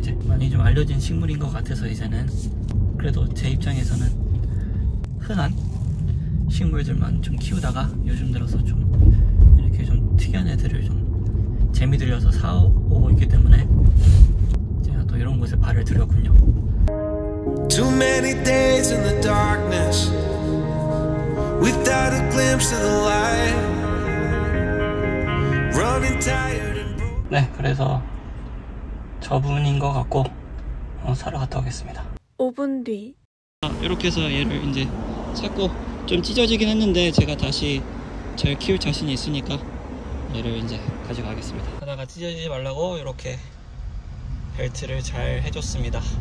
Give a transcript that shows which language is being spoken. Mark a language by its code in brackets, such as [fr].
[ko] 이제 많이 좀 알려진 식물인 것 같아서, 이제는 그래도 제 입장에서는 흔한 식물들만 좀 키우다가 요즘 들어서 좀 이렇게 좀 특이한 애들을 좀 재미 들려서 사오고 있기 때문에 제가 또 이런 곳에 발을 들였군요. [en] Too many days in the darkness without a glimpse of the light. Running tired and broken. [ko] 네, 그래서 저분인 것 같고 사러 갔다 오겠습니다. 5분 뒤. 이렇게 해서 얘를 이제 찾고, 좀 찢어지긴 했는데 제가 다시 잘 키울 자신이 있으니까 얘를 이제 가져가겠습니다. 하다가 찢어지지 말라고 이렇게 벨트를 잘 해줬습니다.